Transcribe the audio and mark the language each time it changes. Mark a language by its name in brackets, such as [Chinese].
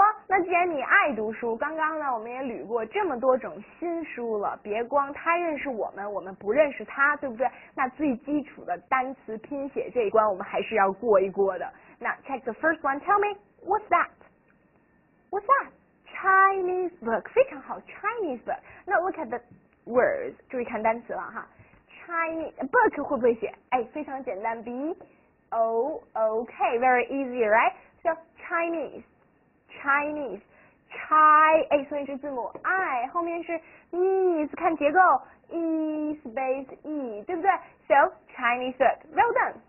[Chinese] 那既然你爱读书，刚刚呢我们也捋过这么多种新书了，别光他认识我们，我们不认识他，对不对？那最基础的单词拼写这一关我们还是要过一过的。 [English] 那 check the first one, tell me, what's that? What's that? Chinese book, [Chinese] 非常好 [English] ,Chinese book. [Chinese] 那 [English] look at the words, [Chinese] 注意看单词了哈。Chinese book 会不会写？哎，非常简单 [English] ,B-O-O-K, very easy, right? [Chinese] So, Chinese, chi, 哎，所以是字母 I, 后面是 ease, 看结构 ,E space E, 对不对 ?So, [English] Chinese book, well done.